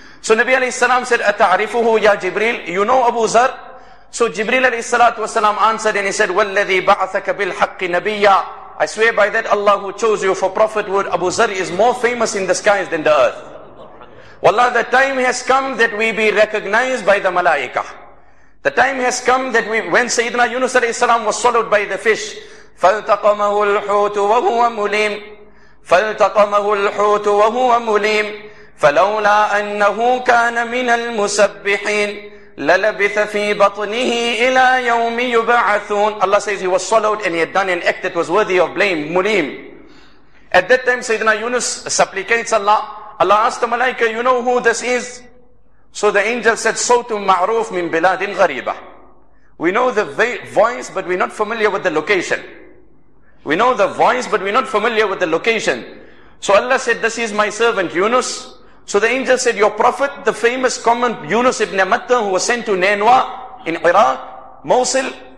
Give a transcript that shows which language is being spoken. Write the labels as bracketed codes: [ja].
[en] So Nabi alayhi salam said, [ar] Ata'arifuhu ya Jibreel, [en] you know Abu Zar? So Jibreel alayhi salatu wasalam answered and he said, [ar] Walladhi ba'athaka bilhaqqi nabiyya. [en] I swear by that Allah who chose you for prophethood, Abu Zar is more famous in the skies than the earth. Wallah, the time has come that we be recognized by the malaika. The time has come that we, when Sayyidina Yunus alayhi salam was swallowed by the fish, [ar] فَالْتَقَمَهُ الْحُوتُ وَهُوَ مُلِيمٌ فَالْتَقَمَهُ الْحُوتُ وَهُوَ مُلِيمٌ فَلَوْلَا أَنَّهُ كَانَ مِنَ الْمُسَبِّحِينَ لَلَبِثَ فِي بَطْنِهِ إِلَى يَوْمِ يُبَعَثُونَ. [en] Allah says he was swallowed and he had done an act that was worthy of blame, mulim. At that time Sayyidina Yunus supplicates Allah. Allah asked the malaika, you know who this is? So the angel said, [ar] صَوْتٌ مَعْرُوفٌ مِنْ بِلَادٍ غَرِيبَةٍ. [en] We know the voice, but we're not familiar with the location. We know the voice, but we're not familiar with the location. So Allah said, this is my servant Yunus. So the angel said, your prophet, the famous common Yunus ibn Matta, who was sent to Nainwa in Iraq, Mosul.